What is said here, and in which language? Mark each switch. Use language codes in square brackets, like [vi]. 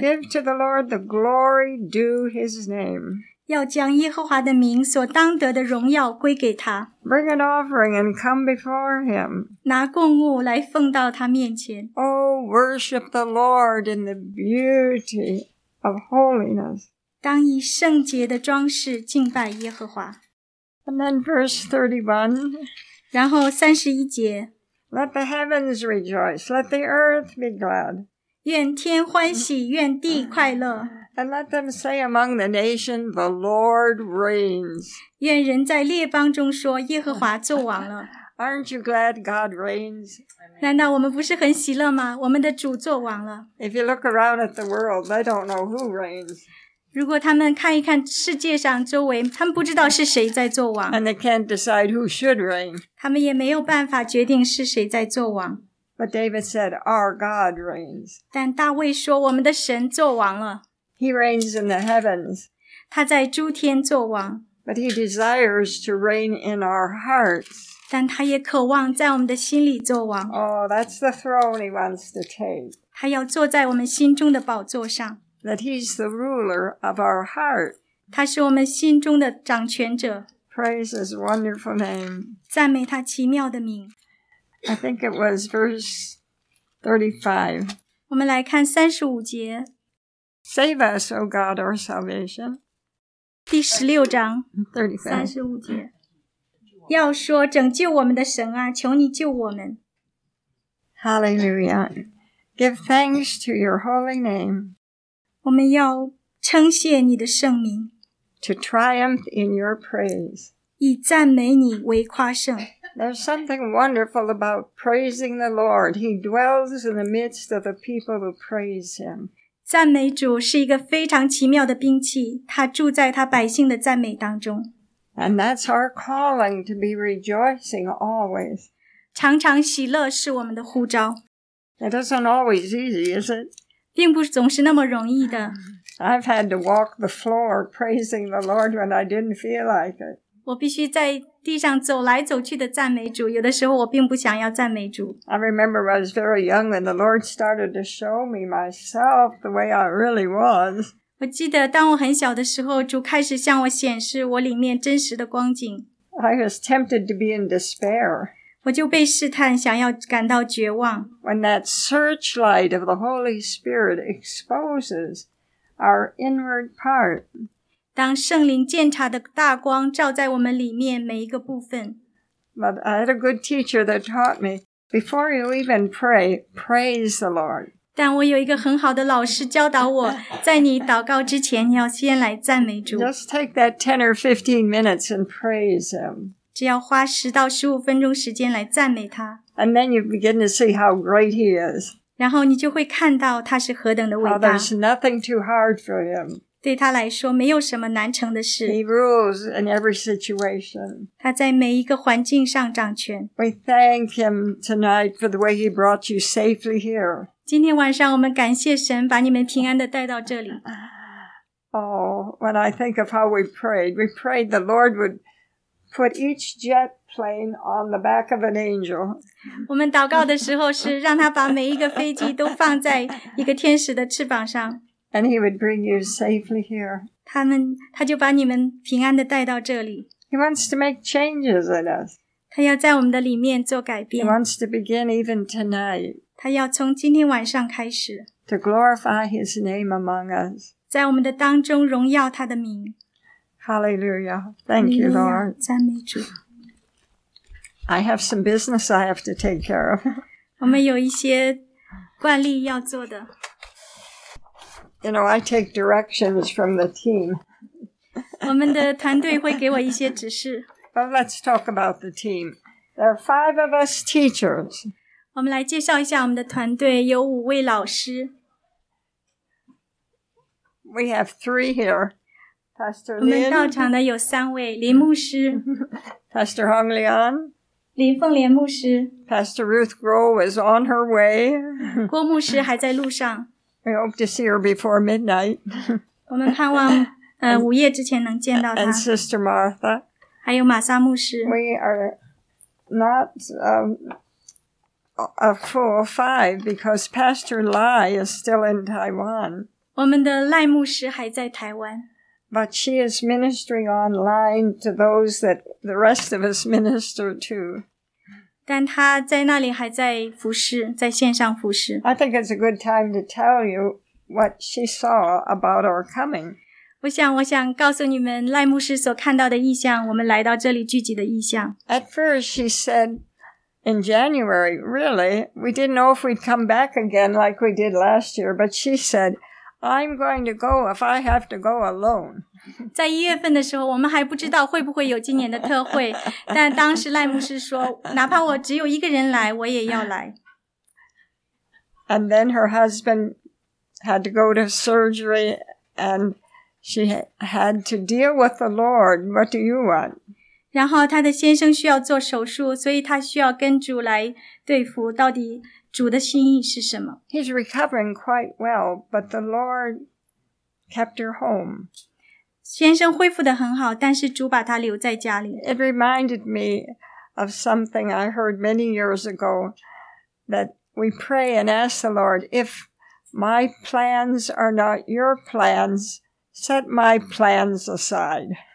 [en] Give to the Lord the glory due his name [zh] 要将耶和华的名所当得的荣耀归给他 [en] Bring an offering and come before him [zh] 拿供物来奉到他面前 [en] Oh, worship the Lord in the beauty of holiness [zh] 当以圣洁的装饰敬拜耶和华 [en] And then verse 31 [zh] 然后31节 [en] Let the heavens rejoice, let the earth be glad [zh] 愿天欢喜愿地快乐 [en] And let them say among the nation, the Lord reigns [zh] 愿人在列邦中说耶和华作王了 [en] Aren't you glad God reigns? [zh] 难道我们不是很喜乐吗？我们的主作王了。 [en] If you look around at the world, they don't know who reigns. [zh] 如果他们看一看世界上周围，他们不知道是谁在作王。 [en] And they can't decide who should reign. [zh] 他们也没有办法决定是谁在作王。 [en] But David said, our God reigns. [zh] 但大卫说，我们的神作王了。 [en] He reigns in the heavens. [zh] 他在诸天作王。 [en] But he desires to reign in our hearts. [zh] 但他也渴望在我们的心里作王。 [en] Oh, that's the throne he wants to take. [zh] 他要坐在我们心中的宝座上。 [en] That he's the ruler of our heart. [zh] 他是我们心中的掌权者。 [en] Praise his wonderful name. [zh] 赞美他奇妙的名。 [en] I think it was verse 35. [zh] 我们来看35节。 [en] Save us, O God, our salvation. [zh] 第16章。 35 节。要说拯救我们的神啊，求你救我们。 [en] Hallelujah. Give thanks to your holy name. [zh] 我们要称谢你的圣名。 [en] To triumph in your praise. [zh] 以赞美你为夸胜。 [en] There's something wonderful about praising the Lord. He dwells in the midst of the people who praise him. [zh] 赞美主是一个非常奇妙的兵器，他住在他百姓的赞美当中。 [en] And that's our calling to be rejoicing always. [zh] 常常喜乐是我们的呼召。 [en] It isn't always easy, is it? [zh] 并不总是那么容易的。 [en] I've had to walk the floor praising the Lord when I didn't feel like it. [zh] 我必须在地上走来走去的赞美主，有的时候我并不想要赞美主。 [en] I remember when I was very young and the Lord started to show me myself the way I really was. [zh] 我记得当我很小的时候，主开始向我显示我里面真实的光景。 [en] I was tempted to be in despair. [zh] 我就被试探，想要感到绝望。 [en] When that searchlight of the Holy Spirit exposes our inward part. [zh] 当圣灵鉴察的大光照在我们里面每一个部分。 [en] But I had a good teacher that taught me, before you even pray, praise the Lord. [zh] 但我有一个很好的老师教导我，在你祷告之前要先来赞美主。 [en] Just take that 10 or 15 minutes and praise him. [zh] 只要花10到15分钟时间来赞美他。 [en] And then you begin to see how great he is. [zh] 然后你就会看到他是何等的伟大。 [en] How there's nothing too hard for him. [zh] 对他来说没有什么难成的事。 [en] He rules in every situation. [zh] 他在每一个环境上掌权。 [en] We thank him tonight for the way he brought you safely here. [zh] 今天晚上我们感谢神把你们平安地带到这里。 [en] Oh, when I think of how we prayed the Lord would put each jet plane on the back of an angel. [zh] 我们祷告的时候是让他把每一个飞机都放在一个天使的翅膀上。 [en] And he would bring you safely here. [zh] 他就把你们平安地带到这里。 [en] He wants to make changes in us. [zh] 他要在我们的里面做改变。 [en] He wants to begin even tonight. [zh] 他要从今天晚上开始。 [en] To glorify his name among us. [zh] 在我们的当中荣耀他的名。 [en] Hallelujah. Thank you, Lord. [zh] 赞美主。 [en] I have some business I have to take care of. [zh] 我们有一些惯例要做的。 [en] You know, I take directions from the team. [zh] 我们的团队会给我一些指示。 [en] Well, let's talk about the team. There are 5 of us teachers. [zh] 我们来介绍一下我们的团队，有五位老师。 [en] We have 3 here. Pastor Lin. [zh] 我们到场的有三位，林牧师。 [en] Pastor Hong Leon. [zh] 林凤莲牧师。 [en] Pastor Ruth Grohl is on her way. [zh] 郭牧师还在路上。 [en] We hope to see her before midnight. [zh] 我们盼望午夜之前能见到她。 [en] And Sister Martha. [zh] 还有玛莎牧师。 [en] We are not a full 5 because Pastor Lai is still in Taiwan. [zh] 我们的赖牧师还在台湾。 [en] But she is ministering online to those that the rest of us minister to. [zh] 但他在那里还在服侍，在线上服侍。 [en] I think it's a good time to tell you what she saw about our coming. [zh] 我想告诉你们赖牧师所看到的意象，我们来到这里聚集的意象。 [en] At first, she said, in January, really, we didn't know if we'd come back again like we did last year, but she said, I'm going to go if I have to go alone. [zh] 在一月份的时候我们还不知道会不会有今年的特会但当时赖牧师说哪怕我只有一个人来我也要来。 [en] And then her husband had to go to surgery and she had to deal with the Lord. What do you want? [zh] 然后她的先生需要做手术所以她需要跟主来对付到底主的心意是什么。 [en] He's recovering quite well, but the Lord kept her home. [zh] 先生恢复得很好但是主把他留在家里。 [en] It reminded me of something I heard many years ago that we pray and ask the Lord, if my plans are not your plans, set my plans aside.